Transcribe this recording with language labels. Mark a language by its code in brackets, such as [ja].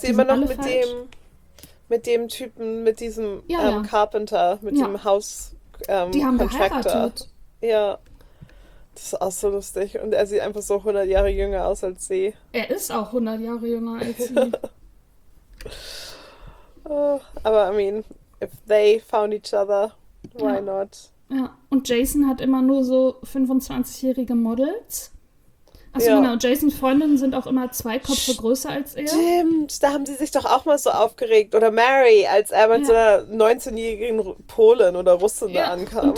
[de] sie immer noch mit falsch. mit dem Typen, mit diesem Carpenter, mit dem Haus Die haben Contractor. Geheiratet. Ja. Das ist auch so lustig. Und er sieht einfach so 100 Jahre jünger aus als sie. Er ist auch 100 Jahre jünger als sie. [en] Aber, I mean, if they found each other, why not? [de] Ja, und Jason hat immer nur so 25-jährige Models. Achso, genau. Jasons Freundinnen sind auch immer 2 Köpfe größer als er. Stimmt, da haben sie sich doch auch mal so aufgeregt. Oder Mary, als er mit so einer 19-jährigen Polin oder Russin da ankam. Und